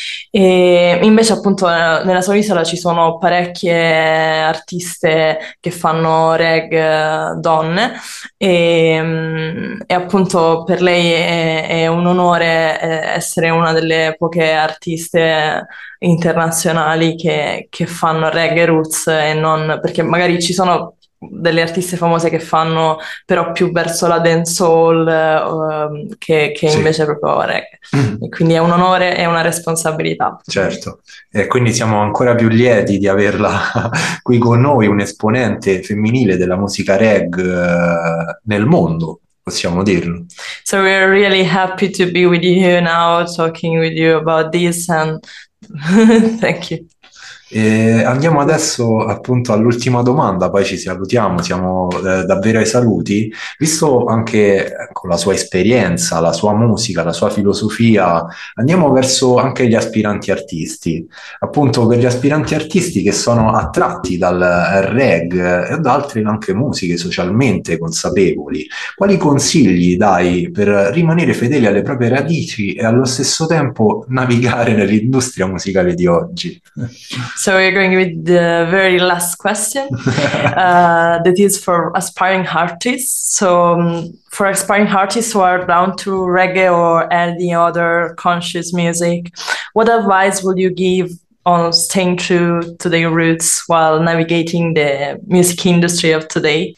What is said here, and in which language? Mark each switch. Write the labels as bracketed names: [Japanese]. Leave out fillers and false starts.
[Italian] E invece appunto nella sua isola ci sono parecchie artiste che fanno reggae donne e appunto per lei è un onore essere una delle poche artiste internazionali che fanno reggae roots e non, perché magari ci sono delle artiste famose che fanno però più verso la dancehall che sì, invece proprio reggae. E quindi è un onore e una responsabilità. Certo, e quindi siamo ancora più lieti di averla qui con noi, un esponente femminile della musica reggae nel mondo. Possiamo dirlo. [English] So we are really happy to be with you now, talking with you about this, and thank you. [Italian] E andiamo adesso appunto all'ultima domanda, poi ci salutiamo, siamo davvero ai saluti. Visto anche con la sua esperienza, la sua musica, la sua filosofia, andiamo verso anche gli aspiranti artisti. Appunto per gli aspiranti artisti che sono attratti dal reggae e da altre anche musiche socialmente consapevoli, quali consigli dai per rimanere fedeli alle proprie radici e allo stesso tempo navigare nell'industria musicale di oggi? [English] So we're going with the very last question, that is for aspiring artists. So for aspiring artists who are down to reggae or any other conscious music, what advice would you give on staying true to their roots while navigating the music industry of today?